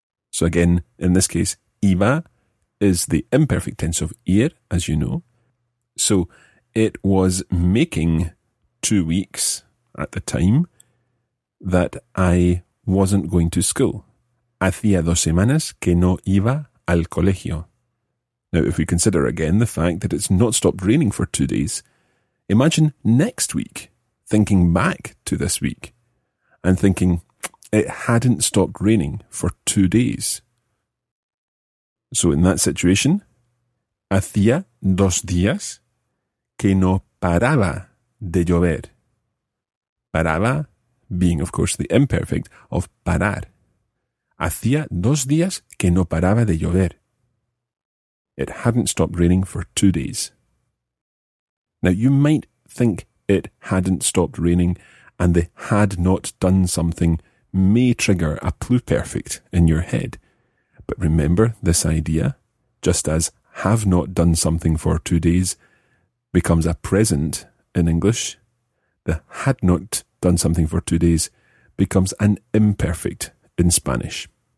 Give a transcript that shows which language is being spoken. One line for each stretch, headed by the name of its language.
English: So again, in this case, iba is the imperfect tense of ir, as you know. So it was making 2 weeks at the time that I wasn't going to school.
Spanish: Hacía 2 semanas que no iba al colegio.
English: Now, if we consider again the fact that it's not stopped raining for 2 days, imagine next week thinking back to this week and thinking it hadn't stopped raining for 2 days.
Spanish: So in that situation, hacía 2 días que no paraba de llover.
English: Paraba being, of course, the imperfect of parar.
Spanish: Hacía 2 días que no paraba de llover.
English: It hadn't stopped raining for 2 days. Now, you might think it hadn't stopped raining and the had not done something may trigger a pluperfect in your head. But remember this idea, just as have not done something for 2 days becomes a present in English, the had not done something for 2 days becomes an imperfect in Spanish.